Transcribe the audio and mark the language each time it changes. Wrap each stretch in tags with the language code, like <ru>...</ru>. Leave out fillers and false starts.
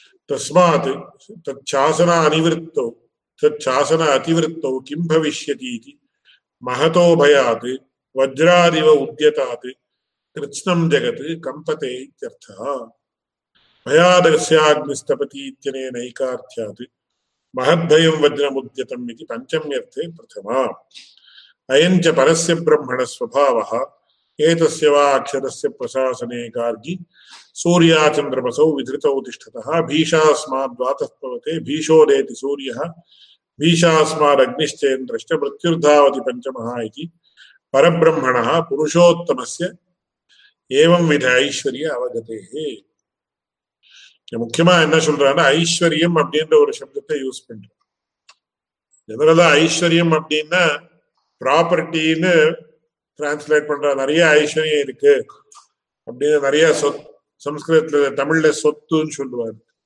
<sa>தஸ்மாத் தச்சாசன அனிவிருத்தோ தச்சாசன அதிவிருத்தோ கிம் பவிஷ்யதி இது மகதோ பயாத் வஜ்ராதிவ உத்யதாத் கிருத்ஸ்னம் ஜெகத் கம்பதே இத்யர்த்தா. பயாதஸ்யாக்னிஸ்தபதி இத்தனை நைகார்த்தியாது மகத்பயம் வஜ்ரமுத்யதம் இது பஞ்சம்யர்த்தே பிரதமா. अयञ्च परस्य ब्रह्मणस्वभावः एतस्य वा अक्षरस्य प्रशासने गार्गी सूर्याचन्द्रमसौ विधृतौ तिष्ठतः भीषास्माद्वातस्पवते भीषोदेति सूर्यः भीषास्मादग्निश्चेन्द्रश्च मृत्युर्धावति पञ्चमः इति परब्रह्मणः पुरुषोत्तमस्य एवंविध ऐश्वर्य अवगतेः.</sa> <ta>முக்கியமா என்ன சொல்றான்னா ஐஸ்வர்யம் அப்படின்ற ஒரு சப்தத்தை யூஸ் பண்றான். ஜெனரலா ஐஸ்வர்யம் அப்படின்னா ப்ராப்பர்ட்டின்னு டிரான்ஸ்லேட் பண்ற, நிறைய ஐஸ்வர்யம் இருக்கு அப்படின்னு நிறைய சம்ஸ்கிருதத்துல தமிழ்ல சொத்துன்னு சொல்லுவாரு.</ta>